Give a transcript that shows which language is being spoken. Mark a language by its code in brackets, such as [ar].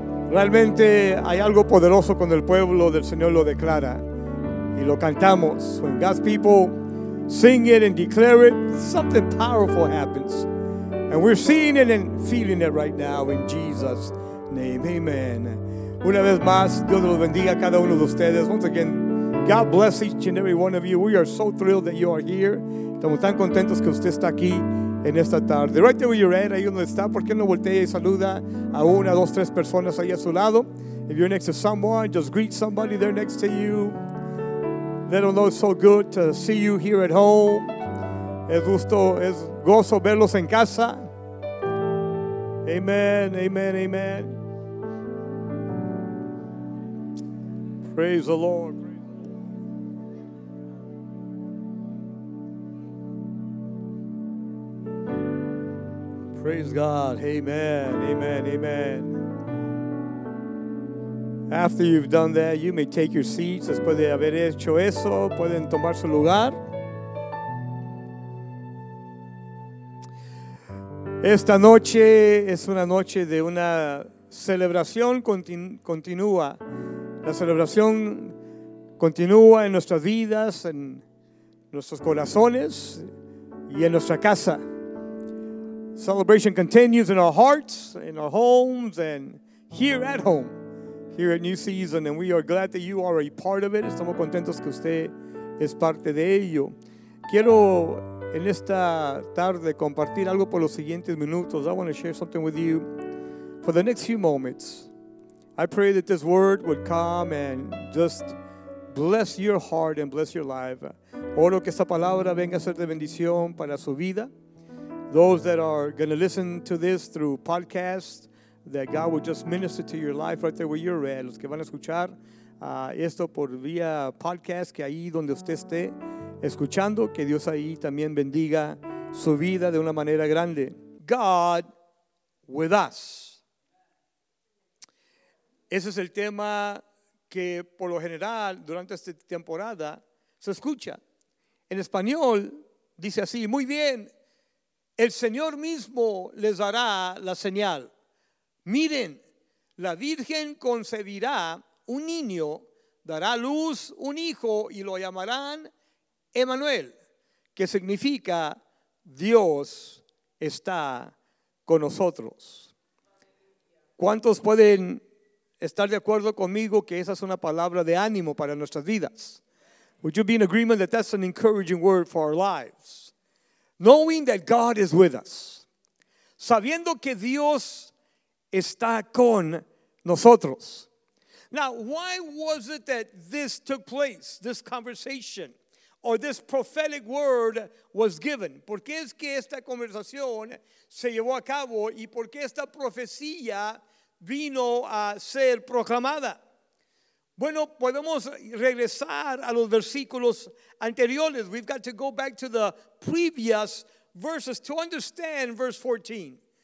[es] Realmente hay algo poderoso cuando el pueblo del Señor lo declara y lo cantamos. [en] When God's people sing it and declare it, something powerful happens. And we're seeing it and feeling it right now in Jesus' name. Amen. [es] Una vez más, Dios los bendiga a cada uno de ustedes. [en] Once again, God bless each and every one of you. We are so thrilled that you are here. [es] Estamos tan contentos que usted está aquí en esta tarde. [en] Right there where you're at, [es] ahí donde está, ¿por qué no voltea y saluda a una, dos, tres personas ahí a su lado? [en] If you're next to someone, just greet somebody there next to you. Let them know it's so good to see you here at home. [es] Es gusto, es gozo verlos en casa. Amen, amen, amen. [en] Praise the Lord. Praise God. Amen. Amen. Amen. After you've done that, you may take your seats. [es] Después de haber hecho eso, pueden tomar su lugar. Esta noche es una noche de una celebración continua. La celebración continúa en nuestras vidas, en nuestros corazones y en nuestra casa. [en] Celebration continues in our hearts, in our homes, and here at home, here at New Season. And we are glad that you are a part of it. [es] Estamos contentos que usted es parte de ello. Quiero en esta tarde compartir algo por los siguientes minutos. [en] I want to share something with you for the next few moments. I pray that this word would come and just bless your heart and bless your life. [es] Oro que esta palabra venga a ser de bendición para su vida. [en] Those that are going to listen to this through podcast, that God will just minister to your life right there where you're at. [es] Los que van a escuchar esto por vía podcast, que ahí donde usted esté escuchando, que Dios ahí también bendiga su vida de una manera grande. [en] God with us. [es] Ese es el tema que por lo general durante esta temporada se escucha. En español dice así: muy bien, el Señor mismo les dará la señal. Miren, la Virgen concebirá un niño, dará a luz un hijo y lo llamarán Emmanuel, que significa Dios está con nosotros. ¿Cuántos pueden estar de acuerdo conmigo que esa es una palabra de ánimo para nuestras vidas? [en] Would you be in agreement that that's an encouraging word for our lives? Knowing that God is with us. [es] Sabiendo que Dios está con nosotros. [en] Now, why was it that this took place, this conversation, or this prophetic word was given? [es] ¿Por qué es que esta conversación se llevó a cabo y por qué esta profecía vino a ser proclamada? Bueno, podemos regresar a los versículos anteriores. [en] We've got to go back to the previous verses to understand verse 14.